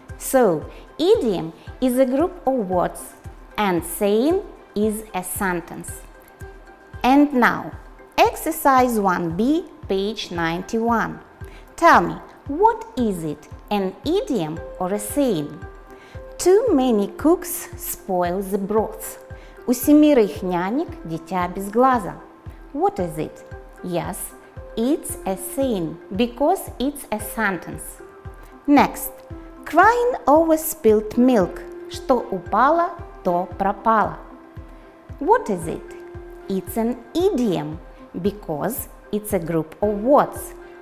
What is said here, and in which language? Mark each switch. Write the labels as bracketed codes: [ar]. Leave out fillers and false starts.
[en] So, idiom is a group of words and saying is a sentence. And now, exercise 1B, page 91. Tell me, what is it, an idiom or a saying? Too many cooks spoil the broth. [ru] У семерых нянек дитя без глаза. [en] What is it? Yes, it's a saying, because it's a sentence. Next, crying over spilt milk. [ru] Что упало, то пропало. [en] What is it? It's an idiom, because it's a group of words.